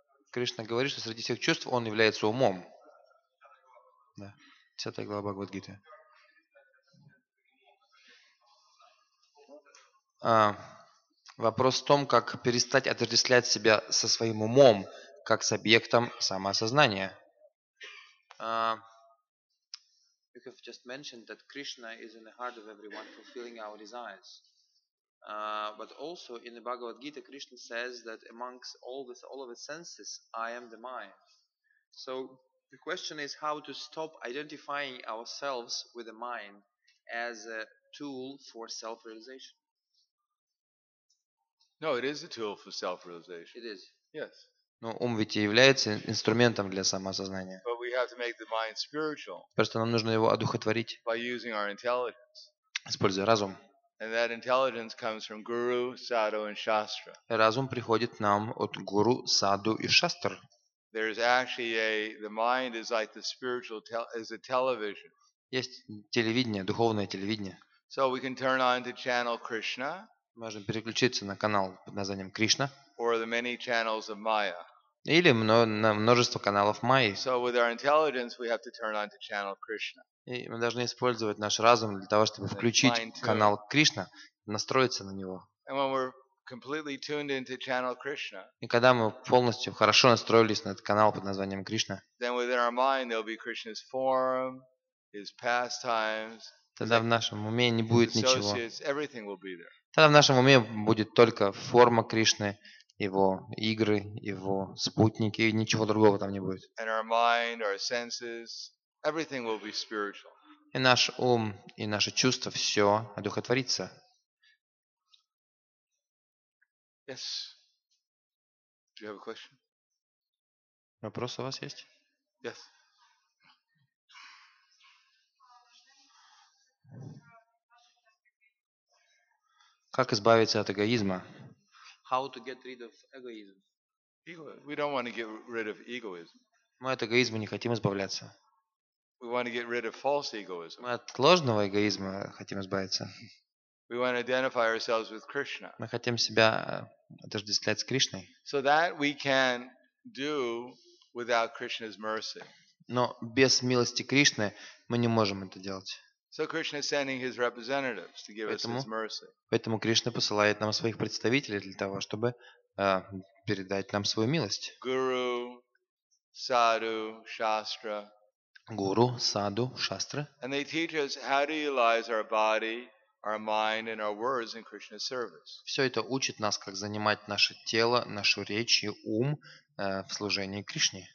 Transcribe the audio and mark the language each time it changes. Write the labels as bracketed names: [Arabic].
[Russian] Кришна говорит, что среди всех чувств он является умом. Да. 10 глава Бхагавад-гиты. Вопрос в том, как перестать отождествлять себя со своим умом, как с объектом самоосознания. [English] You have just mentioned that Krishna is in the heart of everyone, fulfilling our desires. But also in the Bhagavad Gita, Krishna says that amongst all the senses, I am the mind. So The question is how to stop identifying ourselves with the mind as a tool for self-realization. No, it is a tool for self-realization. It is. Yes. [Russian] Но ум ведь и является инструментом для самосознания. [English] But we have to make the mind spiritual. [Russian] Просто нам нужно его одухотворить. [English] By using our intelligence. [Russian] Используя разум. [English] And that intelligence comes from Guru, Sadhu, and Shastra. [Russian] Разум приходит нам от Гуру, Саду и Шастр. [English] There is actually the mind is like the spiritual is a television. [Russian] Есть телевидение, духовное телевидение. [English] So we can turn on to channel Krishna. [Russian] Можно переключиться на канал под названием Кришна. [English] Or the many channels of Maya. [Russian] Или множество каналов Майи. [English] So with our intelligence we have to turn on to channel Krishna. [Russian] И мы должны использовать наш разум для того, чтобы включить канал Кришна, настроиться на него. [English] And when we're completely tuned into channel Krishna. [Russian] И когда мы полностью хорошо настроились на этот канал под названием Кришна. [English] Then within our mind there'll be Krishna's form, his pastimes. [Russian] Тогда в нашем уме не будет ничего. [English] Everything will be there. [Russian] Тогда в нашем уме будет только форма Кришны, его игры, его спутники, и ничего другого там не будет. [English] And our mind, our senses, everything will be spiritual. [Russian] И наш ум, и наши чувства, все одухотворится. [English] Yes. Do you have a question? [Russian] Вопрос у вас есть? [English] Yes. [Russian] Как избавиться от эгоизма? [English] How to get rid of egoism? Ego. We don't want to get rid of egoism. [Russian] Мы от эгоизма не хотим избавляться. [English] We want to get rid of false egoism. [Russian] Мы от ложного эгоизма хотим избавиться. [English] We want to identify ourselves with Krishna. [Russian] Мы хотим себя отождествлять с Кришной. [English] So that we can do without Krishna's mercy. [Russian] Но без милости Кришны мы не можем это делать. [English] So Krishna is sending his representatives to give us his mercy. [Russian] Поэтому Кришна посылает нам своих представителей для того, чтобы передать нам свою милость. [English] Guru, Sadhu, Shastra. Guru, Sadhu, Shastra. And they teach us how to utilize our body, our mind, and our words in Krishna's service. [Russian] Все это учит нас, как занимать наше тело, нашу речь и ум в служении Кришне.